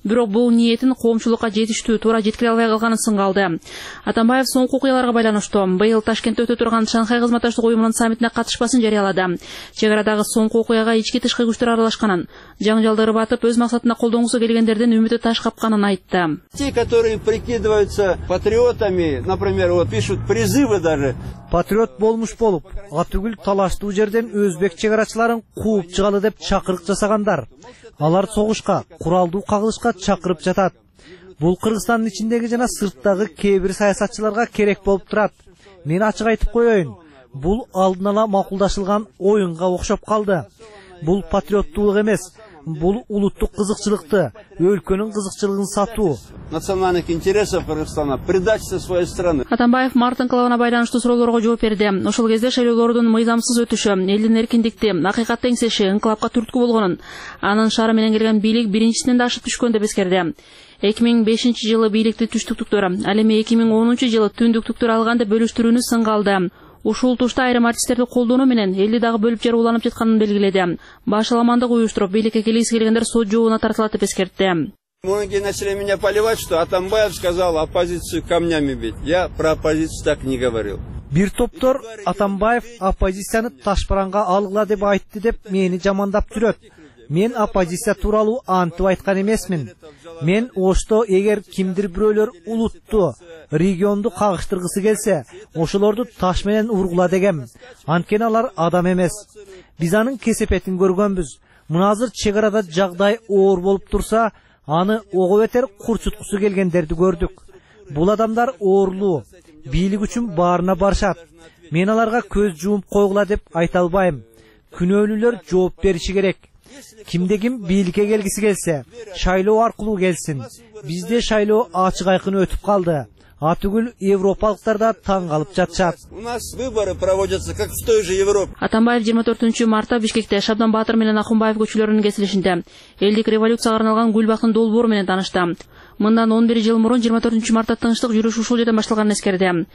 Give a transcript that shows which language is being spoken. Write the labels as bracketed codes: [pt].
[ky] Бирок бул ниетин коомчулукка жетиштүү туура жеткире албай калганын сынга алды. Атамбаев соңку окуяларга байланыштуу быйыл Ташкентте өтө турган Шанхай кызматташтык уюмунун саммитине катышпасын жарыялады. Чек арадагы соңку окуяга ички тышкы күчтөр аралашканын, жаңжалды ырбатып өз максатына колдонгусу келгендердин үмүтү таш капканын айтты. [ru] Те, которые прикидываются патриотами, например, вот пишут призывы даже. [ky] Патриот болмуш болуп, Атүгүл талаштуу жерден өзбек чек арачыларын кууп чыгалы деп чакырык жасагандар. Алар согушка, куралдуу кагылышка чакырып жатат. Бул Кыргызстандын ичиндеги жана сырттагы кээ бир саясатчыларга керек болуп турат. Мен ачык айтып коеюн, бул алдын ала макулдашылган оюнга окшоп калды. Бул патриоттуулук эмес, бул улуттук кызыкчылыкты, өлкөнүн кызыкчылыгын сатуу. [ru] Национальных интересов Кыргызстана, предательство своей страны. [ky] Атамбаев Мартин Калавына байланыштуу суроолорго жооп берди. Ошол кезде шайлоолордун мыйзамсыз өтүшү, элдин эркиндикти, акыйкат теңсеши инкылапка түрткү болгонун, анын шаары менен келген бийлик биринчисинен да ашып түшкөн деп эскерди. 2005 жылы бийликти түштүктүктөр, ал эми 2010 жылы түндүктүктөр алган деп бөлүштүрүүнү сынга алды. Ушул тушта айрым артисттерди колдонуу менен элди дагы бөлүп жер уланып жатканын белгиледи. Башаламандык уюштуруп бийликке келгиси келгендер сот жообуна тартылат деп эскертти. [ru] Многие начали меня поливать, что Атамбаев сказал оппозицию камнями бить. Я про оппозицию так не говорил. [ky] Бир топтор Атамбаев оппозицияны таш баранга алгыла деп айтты деп мени жамандап жүрөт. Мен оппозиция тууралуу антып айткан эмесмин. Мен Ошто эгер кимдир бирөөлөр улутту, регионду кагыштыргысы келсе, ошолорду таш менен ургула дегем. Анткени алар адам эмес. Биз анын кесепетин көргөнбүз. мыназыр чек арада жагдай оор болуп турса, аны ого бетер курчуткусу келгендерди көрдүк. Бул адамдар оорлуу, бийлик үчүн баарына барышат. Мен аларга көз жумуп койгула деп айта албайм. Күнөөлүүлөр жооп бериши керек. Кимде ким бийликке келгиси келсе, шайлоо аркылуу келсин. Бизде шайлоо ачык айкын өтүп калды. Атүгүл европалыктар да таң калып жатышат. [ru] У нас выборы проводятся как в той же Европе. [ky] Атамбаев 24 мартта Бишкекте Шабдан Баатыр менен Акумбаев көчөлөрүнүн кесилишинде элдик революцияга арналган гүл бакын долбоор менен таанышты. Мындан 11 жыл мурун 24 мартта тынчтык жүрүшү ушул жерден башталганын эскерди.